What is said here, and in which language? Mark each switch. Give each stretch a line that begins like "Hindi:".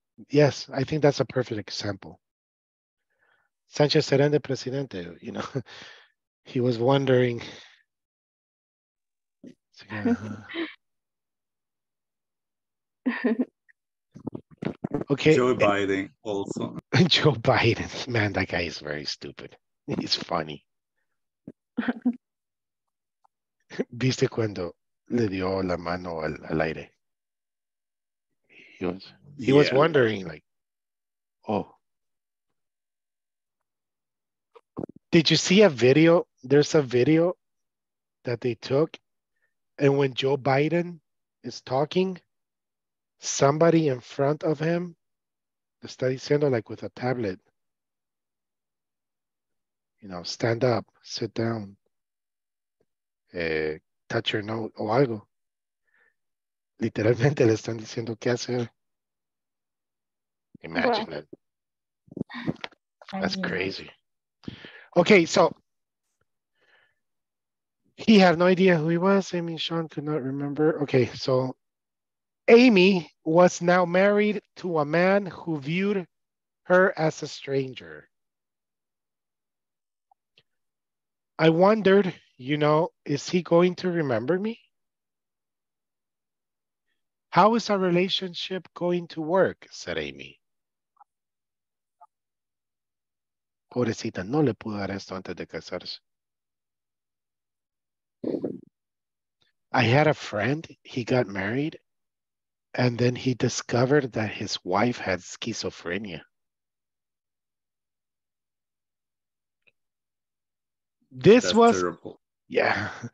English: Yes, I think that's a perfect example. Sanchez Serende Presidente, you know, he was wondering. Okay. Joe Biden also. Joe Biden. Man, that guy is very stupid. He's funny.
Spanish: ¿Viste cuando le dio la mano al aire?
English: He was wondering, like, oh. Did you see a video? There's a video that they took, and when Joe Biden is talking, somebody in front of him
Spanish: está diciendo,
English: like with a tablet, you know, stand up, sit down, touch your nose,
Spanish: o algo. Literalmente le están diciendo qué hacer.
English: Imagine it. That's crazy. Okay, so he had no idea who he was. Amy and Sean could not remember. Okay, so Amy was now married to a man who viewed her as a stranger. I wondered, you know, is he going to remember me? How is our relationship going to work? Said Amy.
Spanish: Pobrecita, no le pudo dar esto antes de casarse.
English: I had a friend, he got married. And then he discovered that his wife had schizophrenia. This That's was terrible. Yeah.